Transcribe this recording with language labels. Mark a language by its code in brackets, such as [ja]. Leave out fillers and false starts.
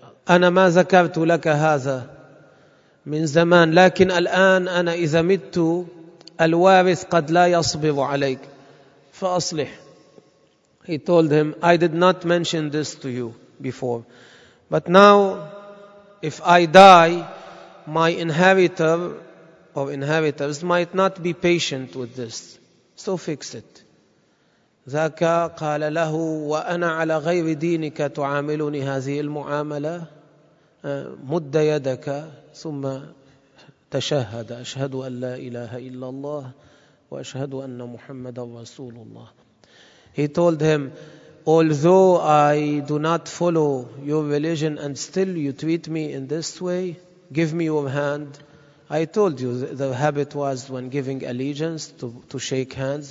[ar] أنا ما ذكرت لك هذا من زمان, لكن الآن أنا إذا مت الوارث قد لا يصبر عليك فأصلح. [en] He told him, I did not mention this to you before, but now if I die, my inheritor or inheritors might not be patient with this, so fix it. [ar] ذاك قال له: وأنا على غير دينك تعاملني هذه المعاملة؟ مد يدك ثم تشهد: أشهد أن لا إله إلا الله وأشهد أن محمدا رسول الله. [en] He told him, although I do not follow your religion and still you treat me in this way, give me your hand. I told you the habit was when giving allegiance to shake hands.